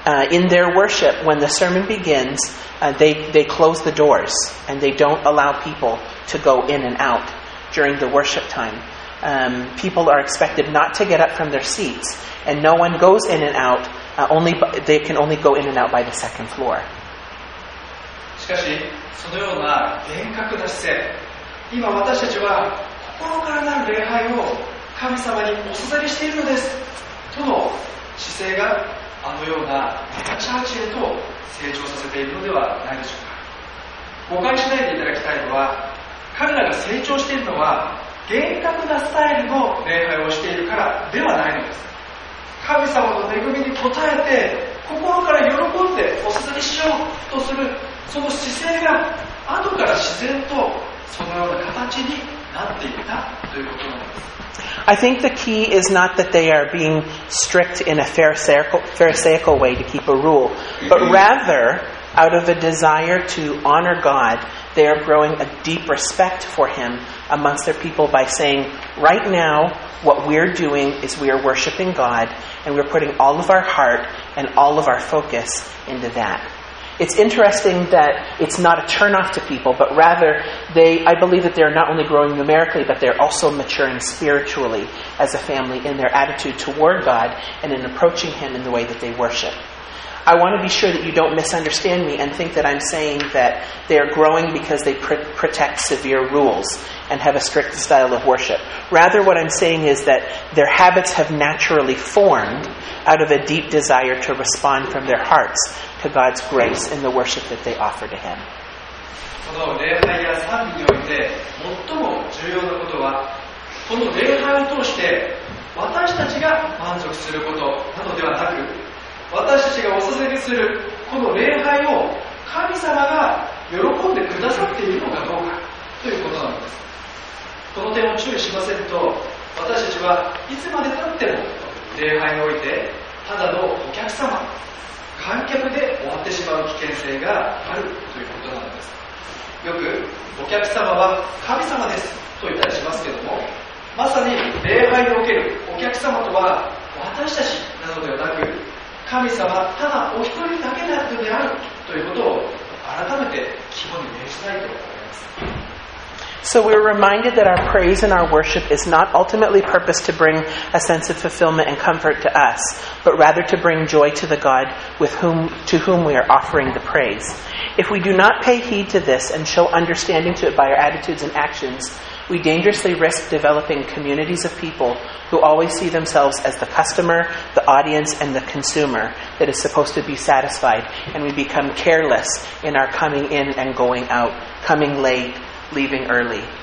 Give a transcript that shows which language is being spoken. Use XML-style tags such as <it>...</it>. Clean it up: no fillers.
<en>In their worship, when the sermon begins, they close the doors and they don't allow people to go in and out during the worship time. People are expected not to get up from their seats, and no one goes in and out. They can only go in and out by the second floor.</en> <ja>しかし、そのような厳格な姿勢、今私たちは心からなる礼拝を神様にお捧げしているのですとの姿勢が、あのようなメガチャーチへと成長させているのではないでしょうか。誤解しないでいただきたいのは、彼らが成長しているのは厳格なスタイルの礼拝をしているからではないのです。神様の恵みに応えて心から喜んでお捧げしようとする、その姿勢が後から自然とそのような形になっていったということなんです。</ja> <en>I think the key is not that they are being strict in a pharisaical way to keep a rule, but rather out of a desire to honor God, they are growing a deep respect for him amongst their people by saying, right now, what we're doing is we are worshiping God, and we're putting all of our heart and all of our focus into that. It's interesting that it's not a turnoff to people, but rather, I believe that they're not only growing numerically, but they're also maturing spiritually as a family in their attitude toward God and in approaching him in the way that they worship. I want to be sure that you don't misunderstand me and think that I'm saying that they are growing because they protect severe rules and have a strict style of worship. Rather, what I'm saying is that their habits have naturally formed out of a deep desire to respond from their hearts to God's grace in the worship that they offer to him.</en> <ja>この礼拝や賛美において最も重要なことは、この礼拝を通して私たちが満足することなどではなく、私たちがお捧げするこの礼拝を神様が喜んでくださっているのかどうかということなんです。この点を注意しませんと、私たちはいつまでたっても礼拝においてただのお客様、観客で終わってしまう危険性があるということなんです。よくお客様は神様ですと言ったりしますけども、まさに礼拝におけるお客様とは私たちなどではなく、神様ただお一人だけであるのであるということを改めて肝に銘じたいと思います。</ja> <en>So we're reminded that our praise and our worship is not ultimately purposed to bring a sense of fulfillment and comfort to us, but rather to bring joy to the God with whom, to whom we are offering the praise. If we do not pay heed to this and show understanding to it by our attitudes and actions, we dangerously risk developing communities of people who always see themselves as the customer, the audience, and the consumer that is supposed to be satisfied, and we become careless in our coming in and going out, coming late, leaving early.</en>